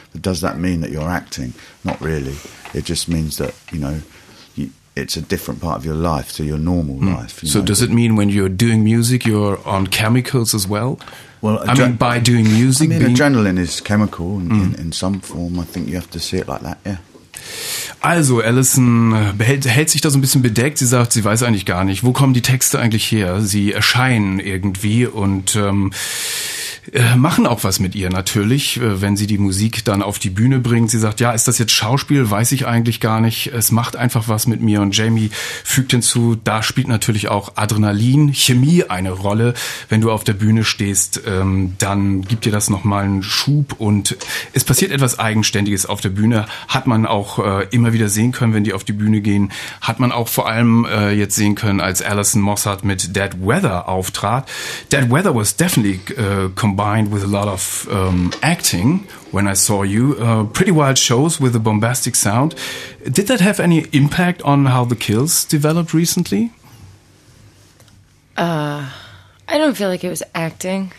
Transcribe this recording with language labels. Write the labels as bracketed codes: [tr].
[en] But does that mean that you're acting? Not really. It just means that, you know, it's a different part of your life to your normal life. So does it mean when you're doing music, you're on chemicals as well? I mean, adrenaline is chemical in some form. I think you have to see it like that, yeah. [de] Also, Alison hält sich da so ein bisschen bedeckt. Sie sagt, sie weiß eigentlich gar nicht, wo kommen die Texte eigentlich her? Sie erscheinen irgendwie und machen auch was mit ihr natürlich, wenn sie die Musik dann auf die Bühne bringt. Sie sagt, ja, ist das jetzt Schauspiel? Weiß ich eigentlich gar nicht. Es macht einfach was mit mir. Und Jamie fügt hinzu, da spielt natürlich auch Adrenalin, Chemie eine Rolle. Wenn du auf der Bühne stehst, dann gibt dir das nochmal einen Schub. Und es passiert etwas Eigenständiges auf der Bühne. Hat man auch immer wieder sehen können, wenn die auf die Bühne gehen. Hat man auch vor allem jetzt sehen können, als Alison Mossart mit Dead Weather auftrat. [en] Dead Weather was definitely combined with a lot of acting when I saw you. Pretty wild shows with a bombastic sound. Did that have any impact on how the Kills developed recently? I don't feel like it was acting.